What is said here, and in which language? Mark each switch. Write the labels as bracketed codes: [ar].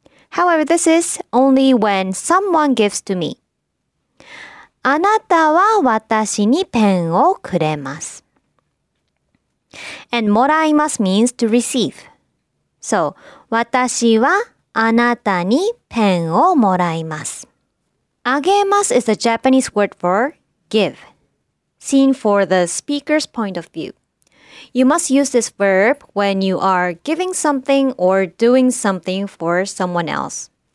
[en] However, this is only when someone gives to me. [ja] あなたは私にペンをくれます。 [en] And もらいます means to receive. [ja] So, 私はあなたにペンをもらいます。 [en] Agemasu is the Japanese word for give, seen for the speaker's point of view. You must use this verb when you are giving something or doing something for someone else.